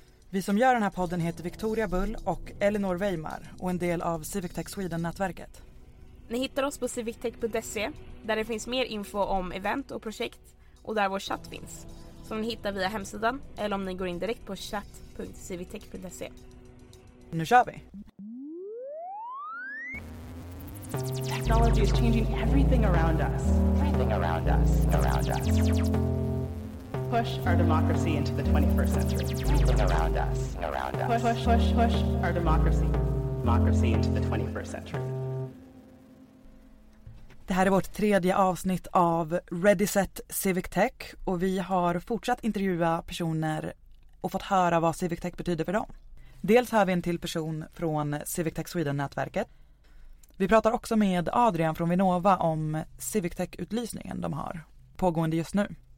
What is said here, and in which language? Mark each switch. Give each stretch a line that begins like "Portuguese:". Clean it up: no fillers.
Swedish: Vi som gör den här podden heter Victoria Bull och Elinor Weimar och en del av Civic Tech Sweden-nätverket. Ni hittar oss på civictech.se där det finns mer info om event och projekt och där vår chatt finns, som ni hittar via hemsidan eller om ni går in direkt på chat.civictech.se. Nu kör vi!
English: Technology is changing everything around us. Everything around us. Around us. Push our democracy into the 21st century. Everything around us. Around us. Push, push, push, push our democracy. Democracy into the 21st century.
Swedish: Det här är vårt tredje avsnitt av Ready Set Civic Tech och vi har fortsatt intervjua personer och fått höra vad Civic Tech betyder för dem. Dels hör vi en till person från Civic Tech Sweden-nätverket. Vi pratar också med Adrian från Vinnova om Civic Tech-utlysningen de har pågående just nu.